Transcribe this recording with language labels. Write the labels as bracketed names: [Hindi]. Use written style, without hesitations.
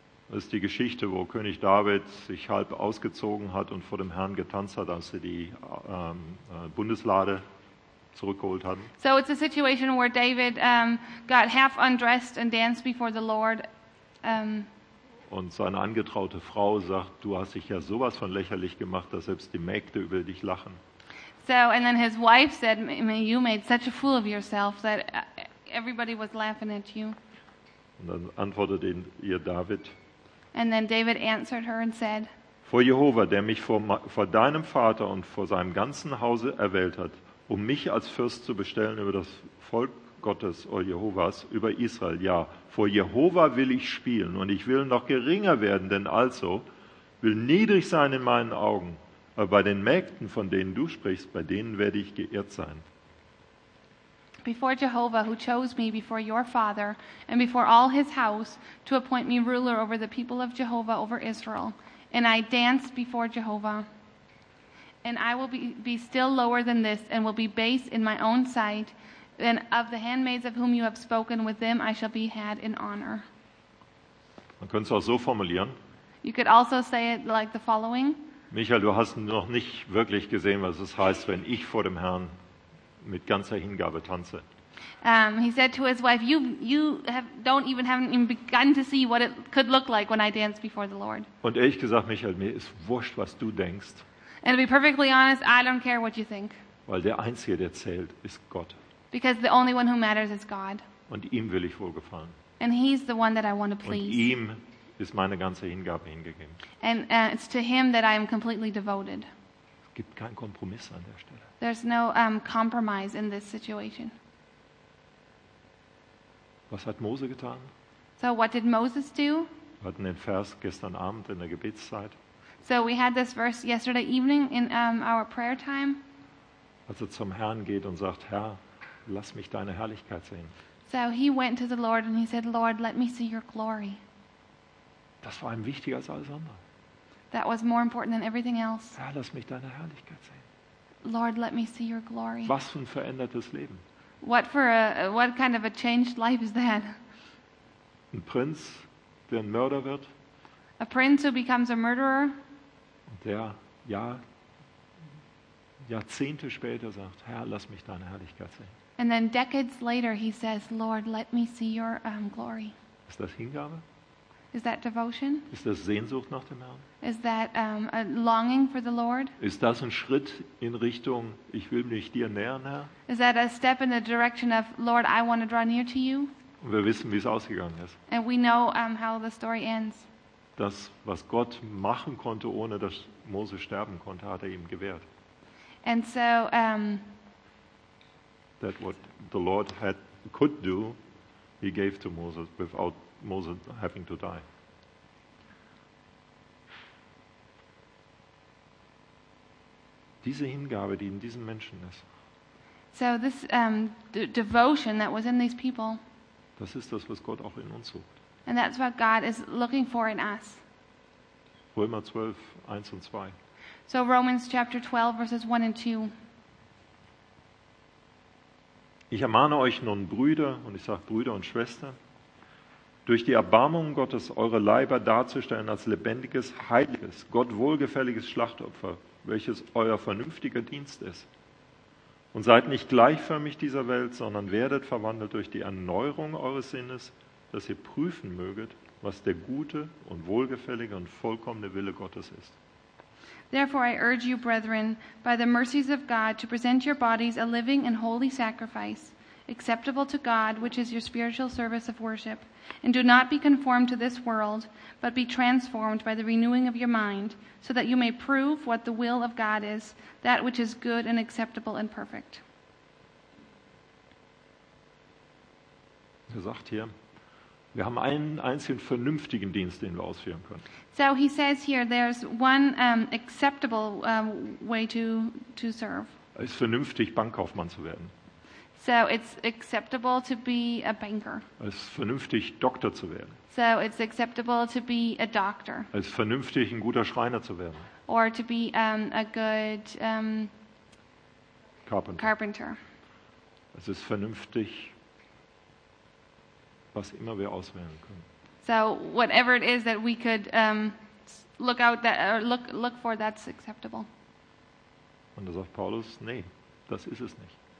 [German] Das ist die Geschichte, wo König David sich halb ausgezogen hat und vor dem Herrn getanzt hat, als sie die Bundeslade zurückgeholt hatten. [English] So it's a situation where David got half undressed and danced before the Lord. [German] Und seine angetraute Frau sagt, du hast dich ja sowas von lächerlich gemacht, dass selbst die Mägde über dich lachen. [English] So, and then his wife said, you made such a fool of yourself that everybody was laughing at you. [German] Und dann antwortete ihr David. [English] And then David answered her and said, [German] vor Jehova, der mich vor deinem Vater und vor seinem ganzen Hause erwählt hat, um mich als Fürst zu bestellen über das Volk Gottes, oder Jehovas, über Israel. Ja, vor Jehova will ich spielen und ich will noch geringer werden, denn also will niedrig sein in meinen Augen. Aber bei den Mägden, von denen du sprichst, bei denen werde ich geehrt sein. [English] Before Jehovah, who chose me before your father and before all his house to appoint me ruler over the people of Jehovah, over Israel, and I danced before Jehovah, and I will be still lower than this and will be base in my own sight, and of the handmaids of whom you have spoken, with them I shall be had in honor. [German] Man könnte es auch so formulieren. [English] You could also say it like the following. [German] Michael, du hast noch nicht wirklich gesehen, was es heißt, wenn ich vor dem Herrn mit ganzer Hingabe tanze. [English] He said to his wife, "You haven't even begun to see what it could look like when I dance before the Lord." [German] Und ehrlich gesagt, Michael, mir ist wurscht, was du denkst. [English] And to be perfectly honest, I don't care what you think. [German] Weil der Einzige, der zählt, ist Gott. [English] Because the only one who matters is God. [German] Und ihm will ich wohlgefallen. [English] And he's the one that I want to please. [German] Und ihm ist meine ganze Hingabe hingegeben. [English] And it's to him that I am completely devoted. [German] Es gibt keinen Kompromiss an der Stelle. [English] There's no compromise in this situation. [German] Was hat Mose getan? [English] So what did Moses do? [German] Wir hatten den Vers gestern Abend in der Gebetszeit. [English] So we had this verse yesterday evening in our prayer time. [German] Als er zum Herrn geht und sagt, Herr, lass mich deine Herrlichkeit sehen. [English] So he went to the Lord and he said, Lord, let me see your glory. [German] Das war ihm wichtiger als alles andere. [English] That was more important than everything else. [German] Herr, lass mich deine Herrlichkeit sehen. [English] Lord, let me see your glory. [German] Was für ein verändertes Leben. [English] What kind of a changed life is that? [German] Ein Prinz, der ein Mörder wird. [English] A prince who becomes a murderer. [German] Und der Jahrzehnte später sagt, Herr, lass mich deine Herrlichkeit sehen. [English] And then decades later he says, Lord, let me see your glory. [German] Ist das Hingabe? [English] Is that devotion? [German] Ist das Sehnsucht nach dem Herrn? [English] Is that a longing for the Lord? [German] Ist das ein Schritt in Richtung, ich will mich dir nähern, Herr? [English] Is that a step in the direction of, Lord, I want to draw near to you? [German] Und wir wissen, wie es ausgegangen ist. [English] And we know how the story ends. [German] Das, was Gott machen konnte, ohne dass Mose sterben konnte, hat er ihm gewährt. [English] And so, that what the Lord had could do, he gave to Moses without Moses having to die. [German] Diese Hingabe, die in diesen Menschen ist. [English] So this devotion that was in these people. [German] Das ist das, was Gott auch in uns sucht. [English] And that's what God is looking for in us. [German] Römer 12, 1 und 2. [English] So Romans chapter 12, verses 1 and 2. [German] Ich ermahne euch nun, Brüder, und ich sage Brüder und Schwestern, durch die Erbarmung Gottes eure Leiber darzustellen als lebendiges, heiliges, Gott wohlgefälliges Schlachtopfer, welches euer vernünftiger Dienst ist. Und seid nicht gleichförmig dieser Welt, sondern werdet verwandelt durch die Erneuerung eures Sinnes, dass ihr prüfen möget, was der gute und wohlgefällige und vollkommene Wille Gottes ist. [English] Therefore I urge you, brethren, by the mercies of God, to present your bodies a living and holy sacrifice, acceptable to God, which is your spiritual service of worship. And do not be conformed to this world, but be transformed by the renewing of your mind, so that you may prove what the will of God is, that which is good and acceptable and perfect. [German] Er sagt hier, wir haben einen einzigen vernünftigen Dienst, den wir ausführen können. [English] So he says here, there's one acceptable way to serve. [German] Es ist vernünftig, Bankkaufmann zu werden. [English] So it's acceptable to be a banker. [German] Es ist vernünftig, Doktor zu werden. [English] So it's acceptable to be a doctor. [German] Es ist vernünftig, ein guter Schreiner zu werden. [English] Or to be a good carpenter. [German] Es ist vernünftig, was immer wir auswählen können. [English] So whatever it is that we could look out that or look for, that's acceptable. [German] Und da sagt Paulus, nee, das ist es nicht.